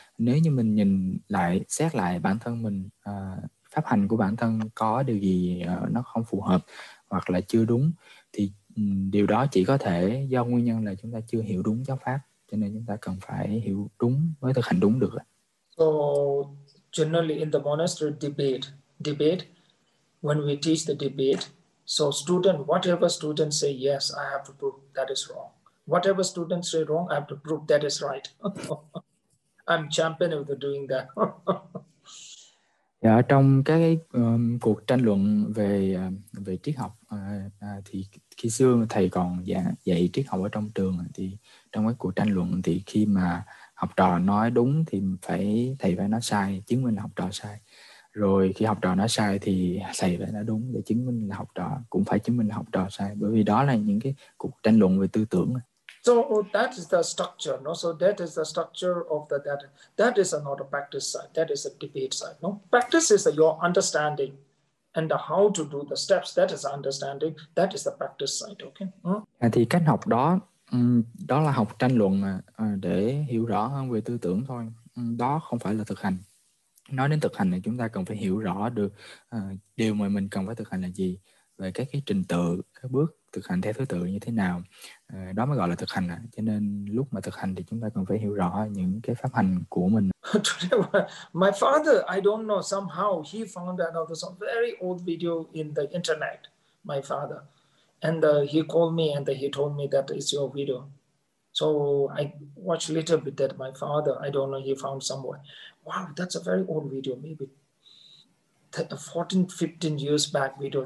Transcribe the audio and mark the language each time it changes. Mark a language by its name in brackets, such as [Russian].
[Vietnamese] Nếu như mình nhìn lại, xét lại bản thân mình, pháp hành của bản thân có điều gì nó không phù hợp hoặc là chưa đúng, thì điều đó chỉ có thể do nguyên nhân là chúng ta chưa hiểu đúng giáo pháp, cho nên chúng ta cần phải hiểu đúng mới thực hành đúng được. [English] So generally in the monastery debate, when we teach the debate, so student, whatever students say yes, I have to prove that is wrong. Whatever students say wrong, I have to prove that is right. I'm champion of doing that. [Vietnamese] Yeah, trong cái cuộc tranh luận về về triết học thì khi xưa thầy còn dạy triết học ở trong trường, thì trong cái cuộc tranh luận thì khi mà học trò nói đúng thì thầy phải nói sai, chứng minh là học trò sai. Rồi khi học trò nói sai thì thầy phải nói đúng để chứng minh là học trò cũng phải chứng minh là học trò sai, bởi vì đó là những cái cuộc tranh luận về tư tưởng. [English] So that is the structure, no? So that is the structure of the data. That is not a practice side. That is a debate side, no? Practice is your understanding and how to do the steps. That is understanding. That is the practice side, okay? [Vietnamese] À, thì cách học đó, đó là học tranh luận để hiểu rõ hơn về tư tưởng thôi. Đó không phải là thực hành. Nói đến thực hành thì chúng ta cần phải hiểu rõ được điều mà mình cần phải thực hành là gì, về các cái trình tự, các bước thực hành theo thứ tự như thế nào, đó mới gọi là thực hành. Cho nên lúc mà thực hành thì chúng ta cần phải hiểu rõ những cái pháp hành của mình. [English] My father, I don't know, somehow he found another some very old video in the internet, my father, and he called me and he told me that it's your video. So I watched a little bit that my father, I don't know, he found somewhere. Wow, that's a very old video, maybe 14, 15 years back video.